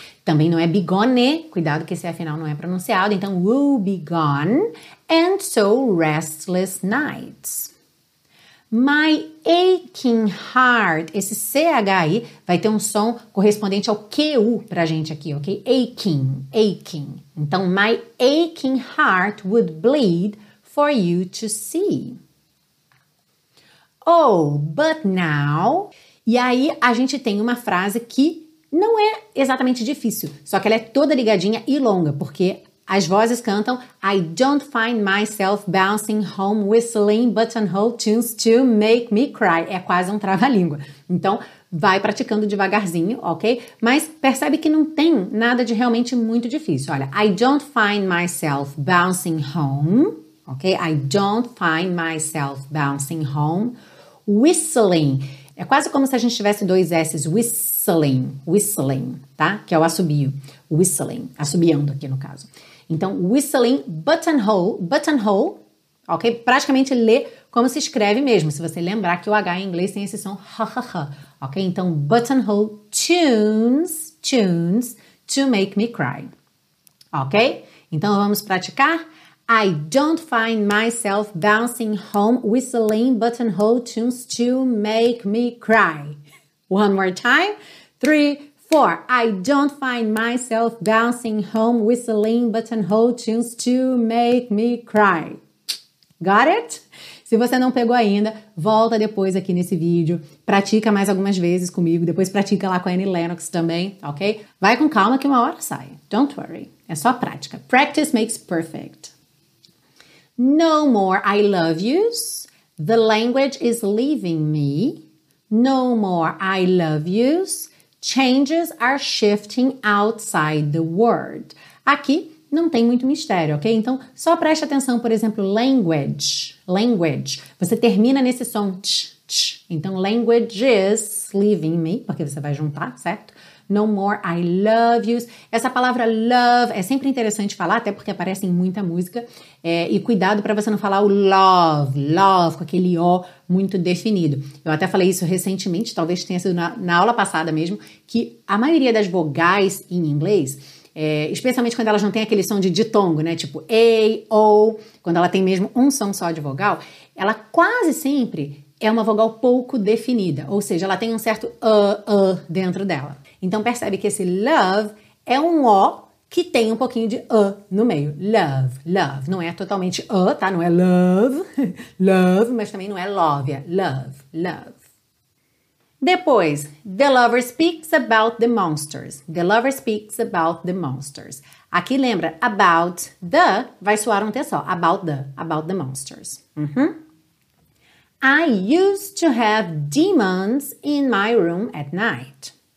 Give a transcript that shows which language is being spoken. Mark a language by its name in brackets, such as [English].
[Portuguese] Também não é bigone, cuidado que esse afinal não é pronunciado. [English] Então, woe be gone and so restless nights. My aching heart, [Portuguese] esse CH aí vai ter um som correspondente ao QU pra gente aqui, ok? [English] Aching, aching. Então, my aching heart would bleed for you to see. Oh, but now... [Portuguese] E aí a gente tem uma frase que não é exatamente difícil, só que ela é toda ligadinha e longa, porque as vozes cantam [English] I don't find myself bouncing home whistling buttonhole tunes to make me cry. [Portuguese] É quase um trava-língua. Então, vai praticando devagarzinho, ok? Mas percebe que não tem nada de realmente muito difícil. [English] Olha, I don't find myself bouncing home, ok? I don't find myself bouncing home whistling. [Portuguese] É quase como se a gente tivesse dois S's, whistling, whistling, tá? Que é o assobio, whistling, assobiando aqui no caso. Então, whistling, buttonhole, buttonhole, ok? Praticamente lê como se escreve mesmo, se você lembrar que o H em inglês tem esse som, ha, ha, ha, ok? [English] Então, buttonhole, tunes, tunes, to make me cry, ok? [Portuguese] Então, vamos praticar? [English] I don't find myself bouncing home whistling buttonhole tunes to make me cry. One more time. 3, 4. I don't find myself bouncing home whistling buttonhole tunes to make me cry. Got it? [Portuguese] Se você não pegou ainda, volta depois aqui nesse vídeo. Pratica mais algumas vezes comigo. Depois pratica lá com a Annie Lennox também, ok? Vai com calma que uma hora sai. [English] Don't worry. [Portuguese] É só prática. [English] Practice makes perfect. No more I love yous. The language is leaving me. No more I love yous. Changes are shifting outside the word. [Portuguese] Aqui não tem muito mistério, ok? Então, só preste atenção, por exemplo, language. Language. Você termina nesse som tch, tch. Então, [English] language is leaving me, [Portuguese] porque você vai juntar, certo? [English] No more I love yous. [Portuguese] Essa palavra love é sempre interessante falar, até porque aparece em muita música. E cuidado para você não falar o love, love, com aquele O muito definido. Eu até falei isso recentemente, talvez tenha sido na aula passada mesmo, que a maioria das vogais em inglês, especialmente quando elas não têm aquele som de ditongo, né? Tipo A, O, quando ela tem mesmo um som só de vogal, ela quase sempre é uma vogal pouco definida. Ou seja, ela tem um certo dentro dela. Então percebe que esse love é um O que tem um pouquinho de no meio. Love, love. Não é totalmente tá? Não é love, love, mas também não é love. É love, love. [English] Depois, the lover speaks about the monsters. The lover speaks about the monsters. [Portuguese] Aqui lembra, [English] about the, [Portuguese] vai soar um T só. [English] About the monsters. Uhum. I used to have demons in my room at night.